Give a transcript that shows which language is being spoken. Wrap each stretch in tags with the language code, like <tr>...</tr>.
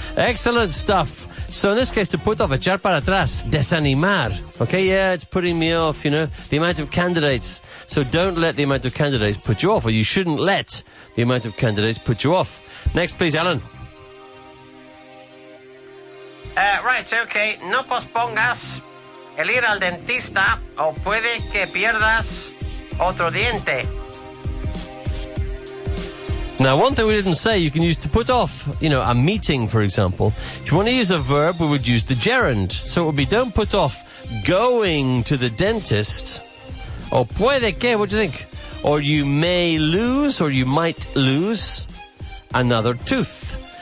<en>Excellent stuff. So in this case, to put off,</en> <es>echar para atrás, desanimar.</es> <en>Okay, yeah, it's putting me off, you know, the amount of candidates. So don't let the amount of candidates put you off, or you shouldn't let the amount of candidates put you off. Next, please, Alan. Right, okay.</en> <es>No pospongas el ir al dentista, o puede que pierdas otro diente.</es> <en>Now, one thing we didn't say, you can use to put off, you know, a meeting, for example. If you want to use a verb, we would use the gerund. So it would be, don't put off going to the dentist.</en> <es>O puede que,</es> <en>what do you think? Or you may lose, or you might lose another tooth.</en>